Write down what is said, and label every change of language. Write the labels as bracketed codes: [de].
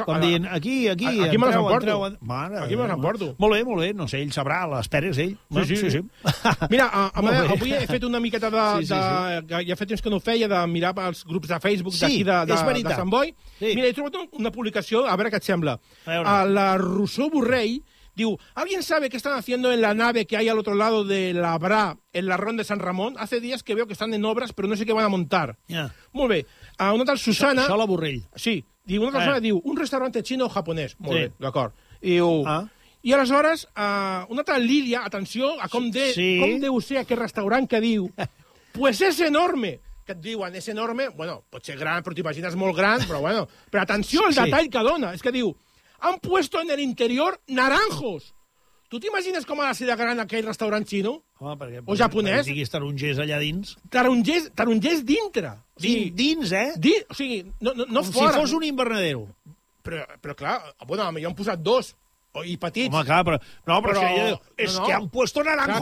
[ca] Com dient, aquí me les emporto. Molt bé, no sé, ell sabrà, l'esperes, ell. Sí. Mira, avui he fet una miqueta de... Ja fa temps que no ho feia, de mirar els grups de Facebook d'aquí de Sant Boi. Mira, he trobat una publicació, a veure què et sembla. [es] La Rosó Borrell diu, ¿alguien sabe qué están haciendo en la nave que hay al otro lado de la Bra, en la Ronda de San Ramón? Hace días que veo que están en obras, pero no sé qué van a montar. [ca] Molt bé. A una tal Susana... Això la Borrell. Sí. Diu, una tal Susana, diu, [es] un restaurante chino o japonés. [ca] Molt bé, d'acord. Diu... I aleshores, una tal Lilia, atenció a com deu ser aquest restaurant que diu, [es] pues es enorme. [ca] Que et diuen, [es] es enorme, [ca] bueno, pot ser gran, però t'imagines molt gran, però bueno. Però atenció al detall que dona. És que diu... [es] Han puesto en el interior naranjos. [ca] Tu t'imagines com ha de ser de gran aquell restaurant xino? O japonès? Perquè diguis tarongers allà dins. Tarongers dintre. Dins, no com fora. Com si fos un invernadero. Però clar, bueno, potser han posat dos. I petits. Home, clar, però si és que [es] han puesto naranjos.